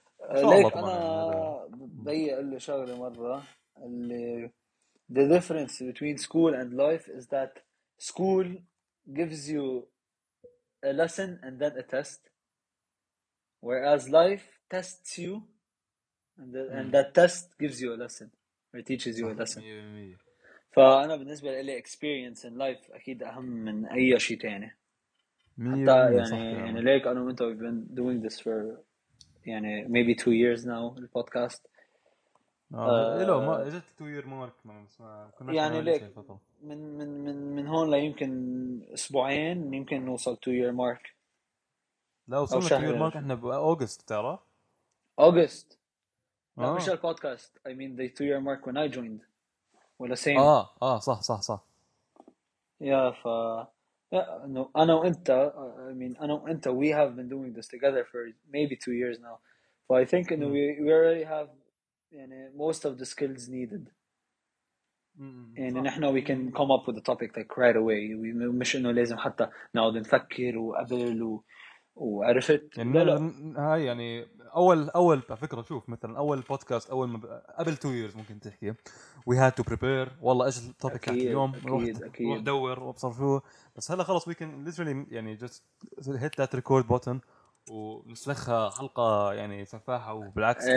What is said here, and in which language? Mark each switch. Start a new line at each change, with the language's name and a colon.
Arabic: ليك أنا بيع اللي شغلة مرة اللي
English: the difference between school and life is that school gives you a lesson and then a test, whereas life tests you and, the, and that test gives you a lesson or teaches you a lesson.
Arabic: فأنا بالنسبة لي
English: experience in life
Arabic: أكيد أهم من أي شيء تاني. حتى يعني ليك أنا وأنت
English: we've been doing this for يعني maybe 2 years now البودكاست.
Arabic: إلو ما إجت
English: 2 year mark
Arabic: يعني ليك من من من من هون لا يمكن أسبوعين يمكن نوصل
English: 2 year mark.
Arabic: لا وصلنا
English: 2 year mark
Arabic: إحنا بأوغست ترى. أوغست. لا مش البودكاست
English: I mean the 2 year mark when I joined.
Arabic: ولا same. صح صح صح.
English: يا فا no
Arabic: أنا وأنت
English: I mean أنا وأنت we have been doing this together for maybe 2 years now. So I think you know, we already have يعني most of the skills needed.
Arabic: يعني نحنا
English: we can come up with a topic like right away.
Arabic: We مش إنه لازم حتى نقعد نفكر وقبل وعرفت. يعني هاي يعني أول فكرة شوف مثلاً أول بودكاست أول ما قبل 2 years ممكن تحكي
English: we had to prepare
Arabic: والله إيش topic كان اليوم روح دور وابصر شو بس هلا خلاص
English: we can literally
Arabic: يعني
English: just hit that record button
Arabic: ونسلخها حلقة يعني سفاحة وبالعكس